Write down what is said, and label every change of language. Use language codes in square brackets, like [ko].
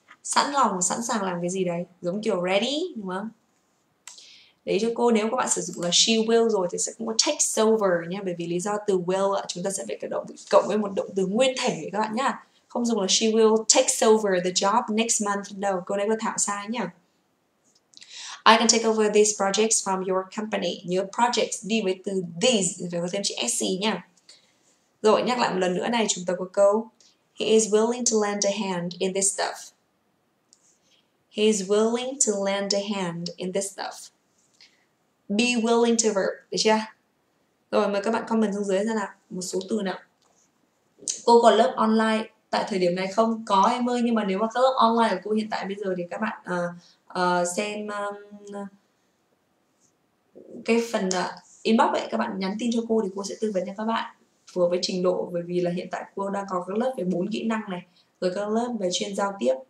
[vi] Sẵn lòng, sẵn sàng làm cái gì đấy. Giống kiểu ready, đúng không? Đấy cho cô, nếu các bạn sử dụng là [en] she will [vi] rồi thì sẽ không có takes over nhé. Bởi vì lý do từ will chúng ta sẽ phải cộng với một động từ nguyên thể các bạn nhá. Không dùng là [en] she will takes over the job next month đâu. [vi] Câu này có thảo sai nhá. [en] I can take over these projects from your company. [vi] Your projects đi với từ these, phải có thêm chữ SC nha. Rồi, nhắc lại một lần nữa này, chúng ta có câu [en] he is willing to lend a hand in this stuff. He is willing to lend a hand in this stuff. Be willing to verb, [vi] được chưa? Rồi, mời các bạn comment xuống dưới ra nào, một số từ nào. Cô có lớp online tại thời điểm này không? Có em ơi, nhưng mà nếu mà các lớp online của cô hiện tại bây giờ thì các bạn xem cái phần inbox ấy, các bạn nhắn tin cho cô thì cô sẽ tư vấn cho các bạn phù hợp với trình độ, bởi vì là hiện tại cô đang có các lớp về 4 kỹ năng này, rồi các lớp về chuyên giao tiếp.